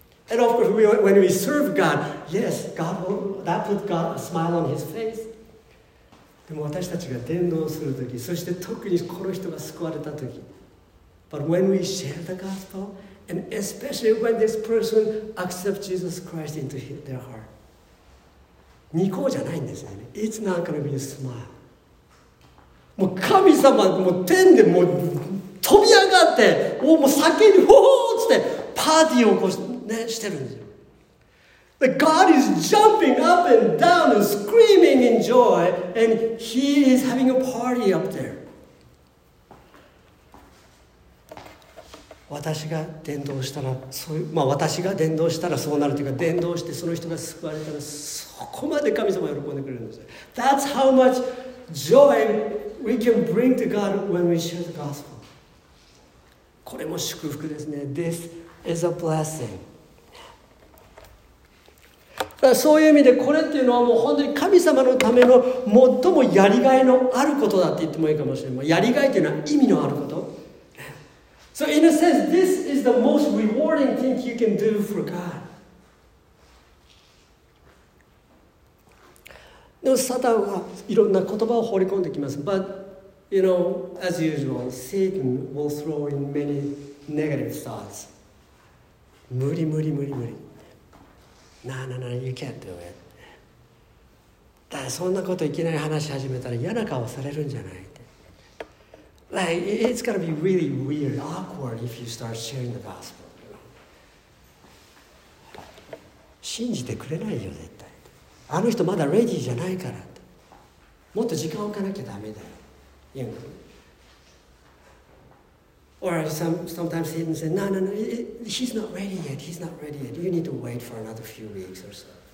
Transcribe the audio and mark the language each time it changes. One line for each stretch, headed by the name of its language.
English: And of course, when we serve God, yes, God will, that puts God a smile on His face.
Japanese: でも私たちが伝道するとき、そして特にこの人が救われたとき、
English: But when we share the gospel, and especially when this person accepts Jesus Christ into their heart,
Japanese: ニコじゃないんですよね。
English: It's not gonna be a smile.
Japanese: もう神様、もう天でもう飛び上がって、もう叫び、ほーっつってパーティーを起こしてね、してるんですよ。
English: The God is jumping up and down and screaming in joy, and He is having a party up there.
Japanese: 私が伝道したら、そういう、まあ私が伝道したらそうなるというか、伝道してその人が救われたら、ここまで神様が喜んでくれるんですよ。
English: That's how much joy we can bring to God when we share the gospel.
Japanese: これも祝福ですね。
English: This is a blessing.
Japanese: だからそういう意味でこれっていうのはもう本当に神様のための最もやりがいのあることだって言ってもいいかもしれない。もうやりがいというのは意味のあること。
English: So in a sense, this is the most rewarding thing you can do for God.
Japanese: でもサタンはいろんな言葉を放り込んできます。
English: But, you know, as usual, Satan will throw in many negative thoughts.
Japanese: 無理無理無理無理。
English: No, no, no, you can't do it.
Japanese: だそんなこといきなり話し始めたら嫌な顔されるんじゃない
English: Like, it's gonna be really weird, awkward if you start sharing the gospel.
Japanese: 信じてくれないよね。あの人まだレディーじゃないからもっと時間を置かなきゃダメだよ言うの
English: Or sometimes Satan says No, no, no, he's not ready yet He's not ready yet You need to wait for another few weeks or so